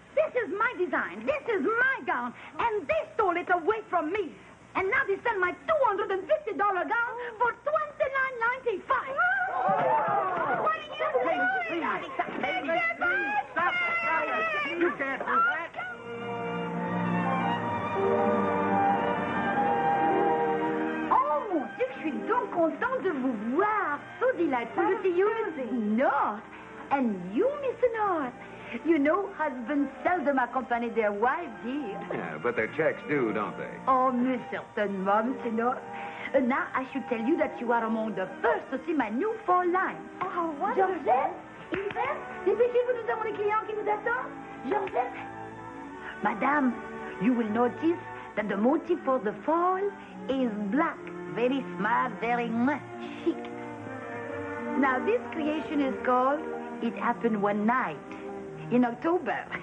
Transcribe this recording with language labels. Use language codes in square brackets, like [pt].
[en] This is my design, this is my gown, and they stole it away from me. And now they sell my $250 gown for $29.95. Oh. What are you doing? Please, please, please, please, stop the fire. You can't do that. [fr] Oh, mon Dieu, je suis donc contente de vous voir. [en] So delightful to see you, Mr. North. And you, Mr. North. You know, husbands seldom accompany their wives here. Yeah, but their checks do, don't they? [fr] Oh, mais certainement, Mr. North. [en] Now, I should tell you that you are among the first to see my new fall line. Oh, how wonderful. [fr] Georgette, Yves, dépêchez-vous, nous avons des clients qui nous attendent. Georgette. Madame. [en] You will notice that the motif for the fall is black. Very smart, very much chic. Now, this creation is called It Happened One Night in October.